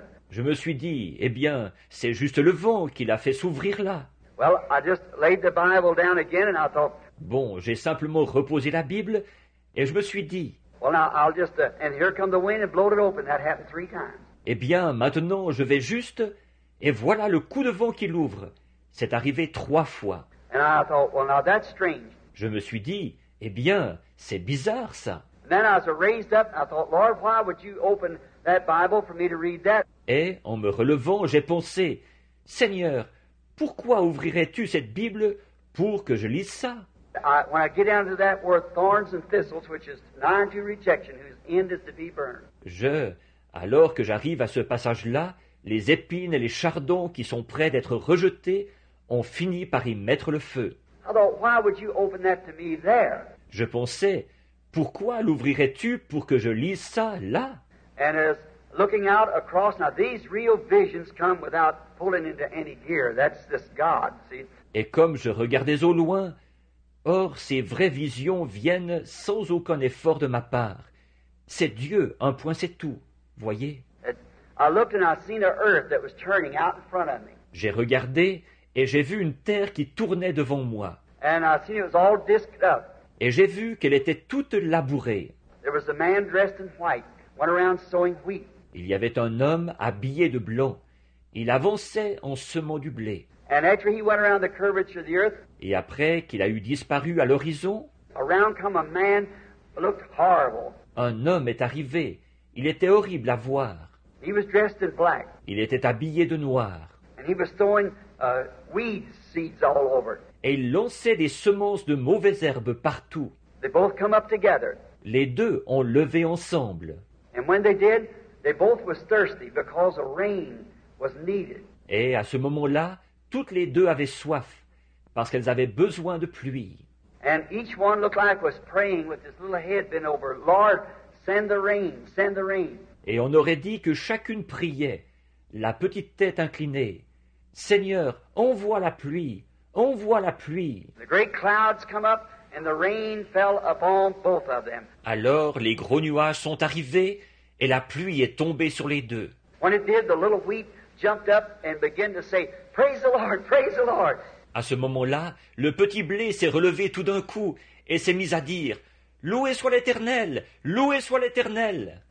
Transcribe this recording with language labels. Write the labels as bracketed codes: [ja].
[fr] Je me suis dit, eh bien, c'est juste le vent qui l'a fait s'ouvrir là. [en] Well, I just laid the Bible down again and I thought. [fr] Bon, j'ai simplement reposé la Bible et je me suis dit. [en] Well, now I'll just and here come the wind and blow it open. That happened 3 times. [fr] Eh bien, maintenant, je vais juste et voilà le coup de vent qui l'ouvre. C'est arrivé 3 fois. [en] And I thought, well, now that's strange. [fr] Je me suis dit, eh bien, c'est bizarre ça. [en] Then I was raised up and I thought, Lord, why would you open that Bible for me to read that? [fr] Et en me relevant, j'ai pensé, Seigneur, pourquoi ouvrirais-tu cette Bible pour que je lise ça? [en] When I get down to that word thorns and thistles, which is nigh unto rejection, whose end is to be burned. [fr] Alors que j'arrive à ce passage-là, les épines et les chardons qui sont prêts d'être rejetés ont fini par y mettre le feu. [en] I thought, why would you open that to me there? [fr] Je pensais, pourquoi l'ouvrirais-tu pour que je lise ça là? [en] And as looking out across, now these real visions come without pulling into any gear. That's this God, see? [fr] Et comme je regardais au loin, or ces vraies visions viennent sans aucun effort de ma part. C'est Dieu, un point c'est tout, voyez? [en] I looked and I seen an earth that was turning out in front of me. [fr] J'ai regardé et j'ai vu une terre qui tournait devant moi. [en] And I seen it was all disked up. [fr] Et j'ai vu qu'elle était toute labourée. [en] There was a man dressed in white, went around sowing wheat. [fr] Il y avait un homme habillé de blanc. Il avançait en semant du blé. [en] And after he went around the curvature of the earth, [fr] et après qu'il a eu disparu à l'horizon, [en] around come a man looked horrible. [fr] Un homme est arrivé. Il était horrible à voir. [en] He was dressed in black. [fr] Il était habillé de noir. [en] And he was sowing weed seeds all over. [fr] Et il lançait des semences de mauvaises herbes partout. [en] They both come up together. [fr] Les deux ont levé ensemble. [en] And when they did, they both was thirsty because a rain was needed. [fr] Et à ce moment-là, toutes les deux avaient soif parce qu'elles avaient besoin de pluie. [en] And each one looked like was praying with his little head bent over, Lord, send the rain, send the rain. [fr] Et on aurait dit que chacune priait, la petite tête inclinée. Seigneur, envoie la pluie. On voit la pluie. [en] The great clouds come up and the rain fell upon both of them. [fr] Alors les gros nuages sont arrivés et la pluie est tombée sur les deux. [en] When it did, the little wheat jumped up and began to say, Praise the Lord, praise the Lord. [fr] À ce moment-là, le petit blé s'est relevé tout d'un coup et s'est mis à dire, Loué soit l'Éternel, loué soit l'Éternel.